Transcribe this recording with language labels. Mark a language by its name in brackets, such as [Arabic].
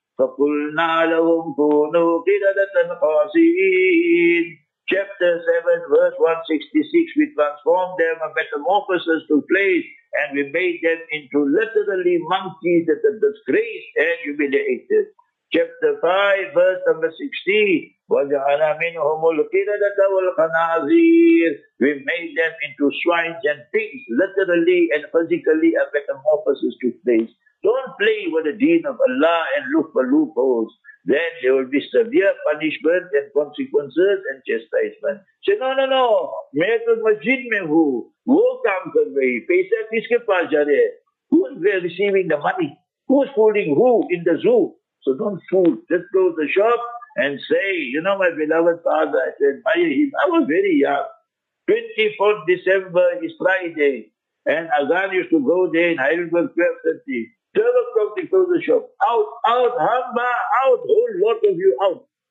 [Arabic] فَقُلْنَا لَهُمْ كُونُوا قِرَدَةً خَاسِئِينَ. [English] Chapter 7, verse 166, we transformed them, a metamorphosis took place, and we made them into literally monkeys that are disgraced and humiliated. Chapter 5, verse number 16, [Arabic] وَجَعَلَ مِنْهُمُ الْقِرَدَةَ وَالْخَنَازِيرِ. [English] We made them into swines and pigs, literally and physically a metamorphosis took place. Don't play with the deen of Allah and look for loopholes. Then there will be severe punishment and consequences and chastisement. Say, no, [Urdu] میں تو مسجد میں ہوں, وہ کام کر رہی, پیسہ کس کے پاس جا رہے, [English] who's receiving the money, who's fooling who in the zoo? So don't fool, just go to the shop and say, you know, my beloved father, I said, I was very young, 24th December is Friday, and Azan used to go there in Heidelberg 1230, 12 o'clock they close the shop, out, hamba, out, whole lot of you out.